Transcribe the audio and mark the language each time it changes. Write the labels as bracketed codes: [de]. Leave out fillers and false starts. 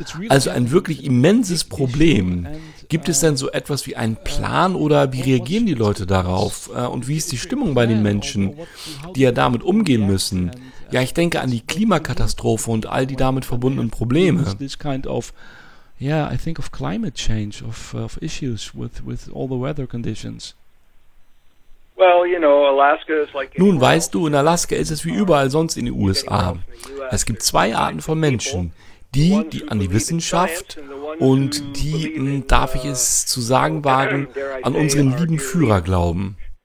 [de] Also ein wirklich immenses Problem. Gibt es denn so etwas wie einen Plan oder wie reagieren die Leute darauf? Und wie ist die Stimmung bei den Menschen, die ja damit umgehen müssen? Ja, ich denke an die Klimakatastrophe und all die damit verbundenen Probleme. [en] Yeah, I think of climate change, of issues with all the weather conditions. Well, you know, Alaska is like. [de] Nun, weißt du, in Alaska ist es wie überall sonst in den USA. Es gibt zwei Arten von Menschen. Die, die an die Wissenschaft und die, darf ich es zu sagen wagen, an unseren lieben Führer glauben.